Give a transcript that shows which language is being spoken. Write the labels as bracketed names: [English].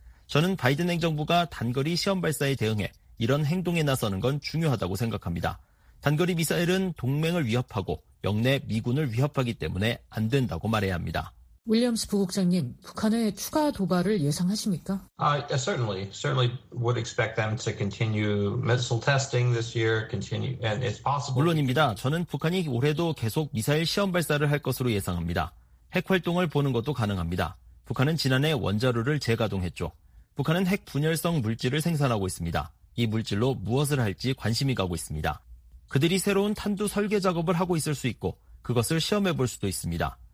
[Korean] 저는 바이든 행정부가 단거리 시험 발사에 대응해 이런 행동에 나서는 건 중요하다고 생각합니다. 단거리 미사일은 동맹을 위협하고 영내 미군을 위협하기 때문에 안 된다고 말해야 합니다. 윌리엄스 부국장님, 북한의 추가 도발을 예상하십니까? [English] Certainly would expect them to continue missile testing this year, continue, and it's possible. [Korean] 물론입니다. 저는 북한이 올해도 계속 미사일 시험 발사를 할 것으로 예상합니다. 핵 활동을 보는 것도 가능합니다. 북한은 지난해 원자로를 재가동했죠. 북한은 핵 분열성 물질을 생산하고 있습니다. 이 물질로 무엇을 할지 관심이 가고 있습니다. 그들이 새로운 탄두 설계 작업을 하고 있을 수 있고 그것을 시험해 볼 수도 있습니다.